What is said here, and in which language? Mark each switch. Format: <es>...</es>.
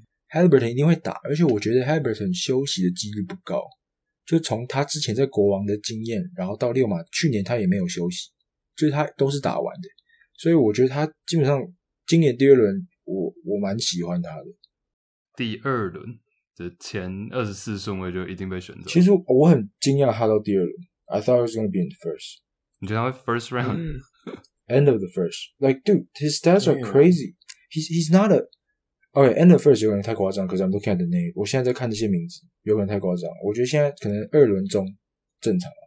<zh>Halliburton 一定会打，而且我觉得 Halliburton 休息的几率不高，就从他之前在国王的经验，然后到六马，去年他也没有休息，就是他都是打完的，所以我觉得他基本上今年第二轮我蛮喜欢他的。第二轮的前24顺位就一定被选择。其实我很惊讶他到第二轮。</zh> <en>I thought he was going to be in the first.</en> <zh>你觉得他会 first round?、嗯、</zh> <en>end of the first. Like, dude, his stats are crazy. He's not a... Okay, end of the first</en> <zh>有可能太夸张</zh> <en>because I'm looking at the name.</en> <zh>我现在在看这些名字有可能太夸张。我觉得现在可能二轮中正常。</zh>